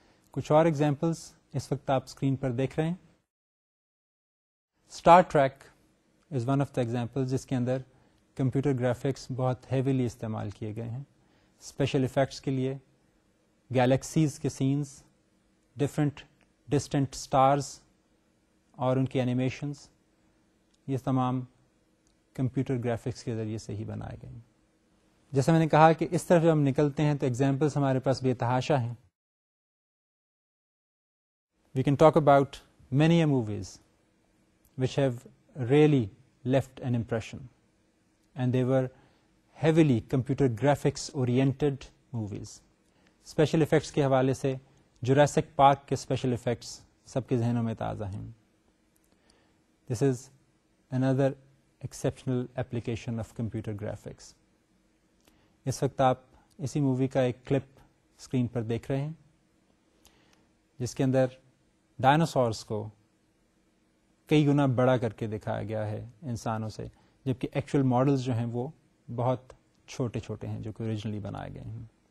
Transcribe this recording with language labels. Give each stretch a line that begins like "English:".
Urdu: کچھ اور ایگزامپلس اس وقت آپ اسکرین پر دیکھ رہے ہیں. Star track is one of the examples جس کے اندر کمپیوٹر گرافکس بہت ہیویلی استعمال کیے گئے ہیں, اسپیشل افیکٹس کے لیے, گیلیکسیز کے سینز, ڈفرنٹ ڈسٹنٹ اسٹارز اور ان کی اینیمیشنز, یہ تمام کمپیوٹر گرافکس کے ذریعے سے ہی بنائے گئے ہیں. جیسے میں نے کہا کہ اس طرف جب ہم نکلتے ہیں تو ایگزامپلس ہمارے پاس بے تحاشا ہیں.
English: We can talk about many a movies which have really left an impression and they were heavily computer graphics oriented movies.
Urdu: Special effects کے حوالے سے جوراسک پارک کے اسپیشل افیکٹس سب کے ذہنوں میں تازہ ہیں.
English: This is another exceptional application of computer graphics.
Urdu: اس وقت آپ اسی مووی کا ایک کلپ اسکرین پر دیکھ رہے ہیں جس کے اندر ڈائنوسورس کو کئی گنا بڑا کر کے دکھایا گیا ہے انسانوں سے, جبکہ ایکچوئل ماڈلز جو ہیں وہ بہت چھوٹے چھوٹے ہیں جو کہ اوریجنلی بنائے گئے ہیں.